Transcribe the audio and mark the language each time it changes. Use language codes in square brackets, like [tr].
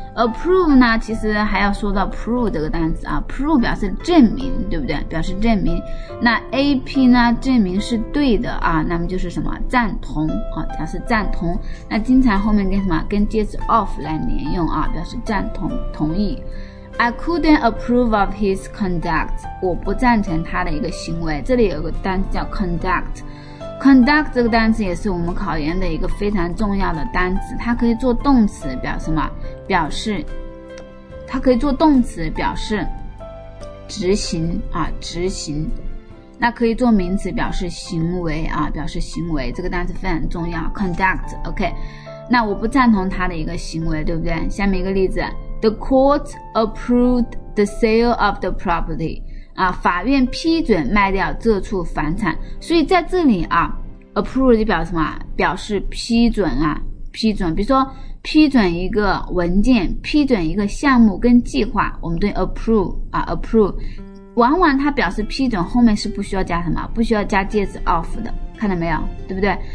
[zh] approve 呢，其实还要说到 prove 这个单词啊 ，prove 表示证明，对不对？表示证明。那 ap 呢，证明是对的啊，那么就是什么赞同啊，表示赞同。那经常后面跟什么，跟介词 of 来连用啊，表示赞同、同意。 [en] I couldn't approve of his conduct. [zh] 我不赞成他的一个行为。这里有个单词叫 conduct。 conduct 这个单词也是我们考研的一个非常重要的单词。它可以做动词表示什么？表示，它可以做动词表示执行啊，执行。那可以做名词表示行为啊，表示行为。这个单词非常重要。conduct， OK。那我不赞同他的一个行为，对不对？下面一个例子。 [en] The court approved the sale of the property. [zh] 啊，法院批准卖掉这处房产。所以在这里啊 ，approve 就表示什么？表示批准啊，批准。比如说，批准一个文件，批准一个项目跟计划，我们对 approve 啊 ，approve。往往它表示批准，后面是不需要加什么，不需要加介词 of 的，看到没有？对不对？